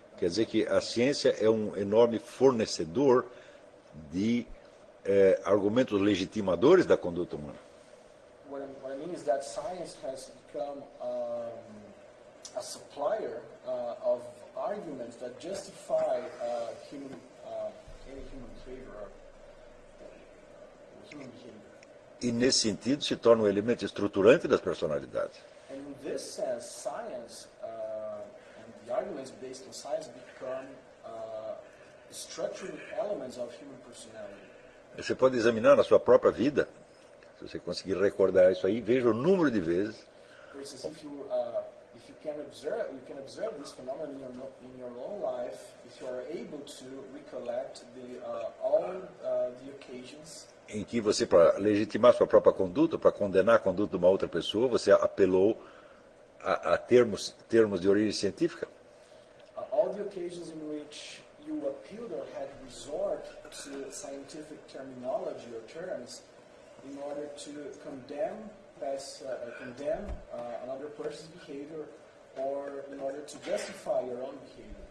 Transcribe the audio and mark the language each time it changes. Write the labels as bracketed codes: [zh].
[pt] Quer dizer que a ciência é um enorme fornecedor de argumentos legitimadores da conduta humana. [en] What I mean is that science has become a supplier of arguments that justify any human behavior or human behavior. [pt] E nesse sentido se torna um elemento estruturante das personalidades. [en] And in this sense, science the arguments based on science become structuring elements of human personality. [pt] Você pode examinar na sua própria vida, se você conseguir recordar isso aí, veja o número de vezes. [en] For instance, if you can observe this phenomenon in your own life, if you are able to recollect all the occasions [pt] em que você, para legitimar sua própria conduta, para condenar a conduta de uma outra pessoa, você apelou a termos de origem científica. [en] All the occasions in which you appealed or had resort to scientific terminology or terms in order to condemn another person's behavior or in order to justify your own behavior.